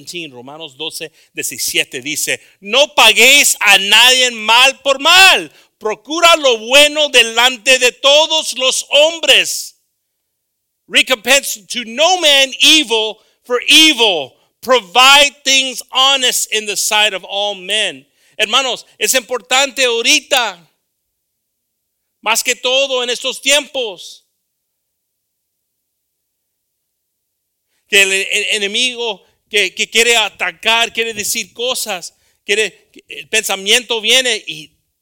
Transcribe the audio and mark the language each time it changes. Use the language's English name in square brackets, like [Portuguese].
[Spanish] Romanos 12:17 dice, no paguéis a nadie mal por mal. Procura lo bueno delante de todos los hombres. [English] Recompense to no man evil for evil. Provide things honest in the sight of all men. [Spanish] Hermanos, es importante ahorita, más que todo en estos tiempos, que el enemigo que quiere atacar, quiere decir cosas, quiere, el pensamiento viene y